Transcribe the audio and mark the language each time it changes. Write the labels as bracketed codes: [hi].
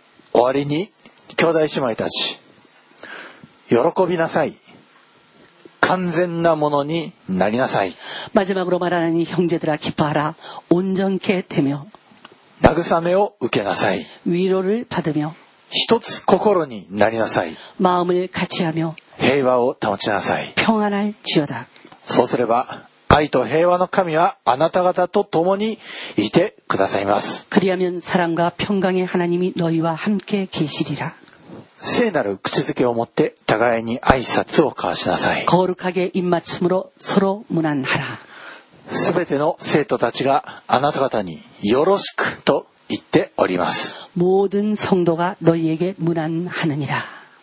[ja] 終わりに兄弟姉妹たち喜びなさい。完全なものになりなさい。 [ko] 마지막으로말하느니형제들아기뻐하라온전케되며 [ja] 慰めを受けなさい [ko] 위로를받으며 [ja] 一つ心になりなさい [ko] 마음을같이하며 [ja] 平和を保ちなさい [ko] 평안을지어다 [ja] そうすれば愛と平和の神はあなた方と共にいてくださいます [ko] 그리하면사랑과평강의하나님이너희와함께계시리라 [ja] 聖なる口づけを持って互いに挨拶を交わしなさい。 [ko] 거룩하게입맞춤으로서로문안하라。 [ja] すべての生徒たちがあなた方によろしくと言っております。 [ko] 모든성도가너희에게문안하느니라。